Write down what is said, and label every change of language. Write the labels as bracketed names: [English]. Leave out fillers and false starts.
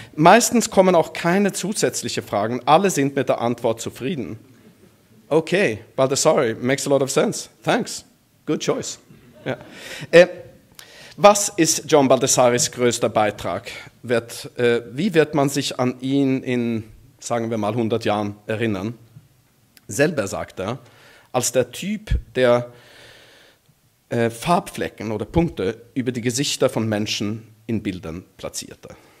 [German] Meistens kommen auch keine zusätzlichen Fragen. Alle sind mit der Antwort zufrieden. [English] Okay, Baldessari, makes a lot of sense. Thanks. Good choice. [German] Ja. Was ist John Baldessaris größter Beitrag? Wie wird man sich an ihn in, sagen wir mal, 100 Jahren erinnern? Selber sagt er, als der Typ, der Farbflecken oder Punkte über die Gesichter von Menschen in Bildern platzierte.